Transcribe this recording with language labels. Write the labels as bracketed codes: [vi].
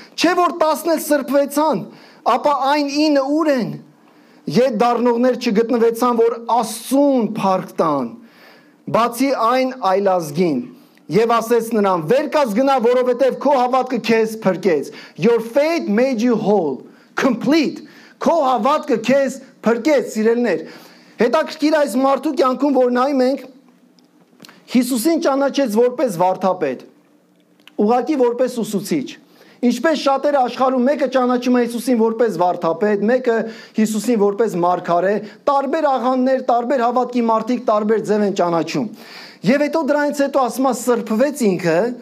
[hy] Չէ՞ որ 10-ն էլ սրբվեցան, ապա այն 9-ը ուր են։ Եթե դառնողներ չգտնվեցան, որ Աստծուն փառք տան, բացի այն այլազգին, եւ ասեց նրան. Վեր կաս գնա, որովհետեւ քո հավատքը քեզ փրկեց. [en] Your faith made you whole, complete. [hy] Քո հավատքը քեզ փրկեց, սիրելներ։ Հետաքրքիր այս մարդու կյանքում, որ նայում ենք, Հիսուսին ճանաչեց որպես վարդապետ, ուղղակի որպես ուսուցիչ։ Ինչպես շատերը աշխարհում, մեկը ճանաչում է Հիսուսին որպես վարդապետ, մեկը Հիսուսին որպես մարգարե, տարբեր աղաններ, տարբեր հավատքի մարդիկ տարբեր ձև են ճանաչում։ Եվ հետո դրանից հետո ասում է սրբվեց ինքը,